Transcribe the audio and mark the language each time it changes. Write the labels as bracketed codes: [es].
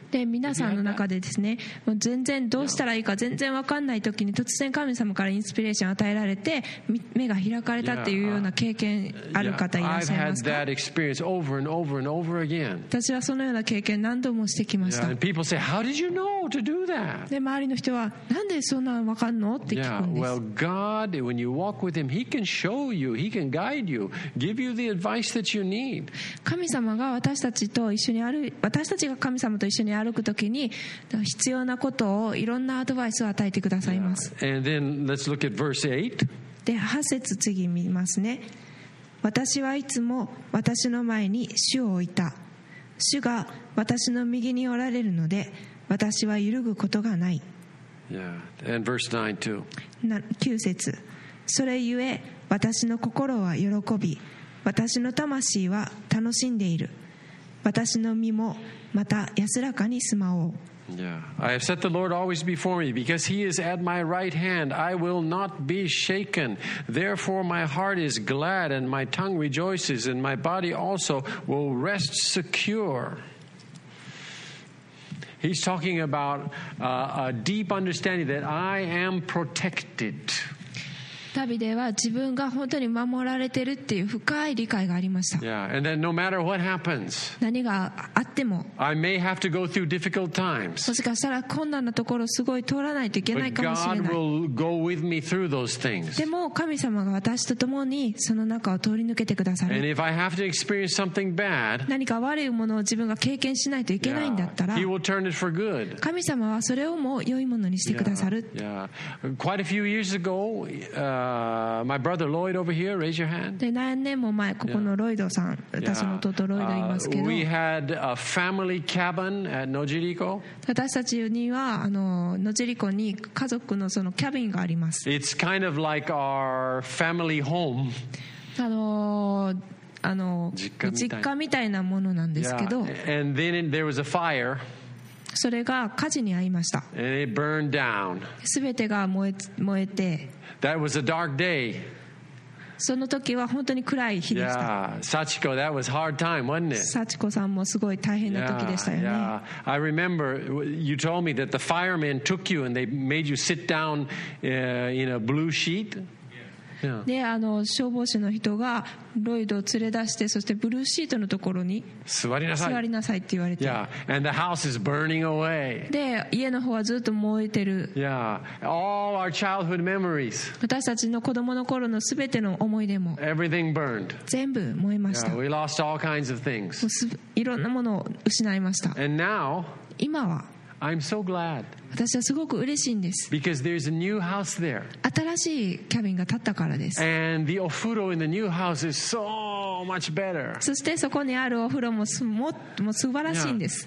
[ja] で、皆さんの中でですね、もう全然どうしたらいいか全然わかんない時に突然神様からインスピレーションを与えられて目が開かれたっていうような経験ある方いらっしゃいますか? [en] I've had that experience over and over and over again. [ja] 私はそのような経験何度もしてきました。 [en] And people say, how did you know to do that? [ja] で、周りの人はなんでそんなわかんのって聞くんです。 [en] Yeah, well, God When you walk with him, he can show you, he can guide you, give you the advice that you need. [ja] 神様が私たちと一緒に歩、私たちが神様と一緒に歩くときに必要なことをいろんなアドバイスを与えてくださいます。 [en] Yeah. And then let's look at verse 8. [ja] で、八節次見ますね。私はいつも私の前に主を置いた。主が私の右におられるので、私は揺るぐことがない。 [en] Yeah. And verse 9 too. [ja] 9節それゆえ私の心は喜び私の魂は楽しんでいる私の身もまた安らかに住まおう [en] Yeah. I have set the Lord always before me because he is at my right hand I will not be shaken therefore my heart is glad and my tongue rejoices and my body also will rest secureHe's talking about a deep understanding that I am protected. [ja] ダビデは自分が本当に守られてるっていう深い理解がありました。 [en] Yeah, and then no matter what happens, [ja] 何があっても、 [en] I may have to go through difficult times. [ja] もしかしたら困難なところすごい通らないといけないかもしれない。 [en] But God will go with me through those things. [ja] でも神様が私と共にその中を通り抜けてくださる。 [en] And if I have to experience something bad, [ja] 何か悪いものを自分が経験しないといけないんだったら、 [en] He will turn it for good. [ja] 神様はそれをもう良いものにしてくださる。 [en] Yeah. Quite a few years ago, my brother Lloyd over here, raise your hand. [ja] 何年も前、ここのロイドさん、私の弟ロイドいますけど。 [en] We had a family cabin at Nojiriko. [ja] 私たちには、あの、野尻湖に家族のそのキャビンがあります。 [en] It's kind of like our family home. [ja] あの、実家みたいなものなんですけど。 [en] Yeah. And then there was a fire. [ja] それが火事に遭いました。 [en] And it burned down. [ja] 全てが燃えて。 [en] That was a dark day. [ja] その時は本当に暗い日でした。 [en] Yeah, Sachiko, that was hard time, wasn't it? [ja] Sachiko さんもすごい大変な時でしたよね。 [en] Yeah, I remember you told me that the firemen took you and they made you sit down in a blue sheet. Yeah. [ja] で、消防士の人がロイドを連れ出して、そしてブルーシートのところに座りなさい。座りなさいって言われて。 [en] Yeah, and the house is burning away. [ja] で、家の方はずっと燃えてる。 [en] Yeah, all our childhood memories. [ja] 私たちの子供の頃のすべての思い出も。 [en] Everything burned. [ja] 全部燃えました。 [en] Yeah, we lost all kinds of things. [ja] もういろんなものを失いました。 [en] And now, [ja] 今は。 [en] I'm so glad. [ja] 私はすごく嬉しいんです。 [en] Because there's a new house there. [ja] 新しいキャビンが建ったからです。 [en] And the お風呂 in the new house is so much better. [ja] そしてそこにあるお風呂も もう素晴らしいんです。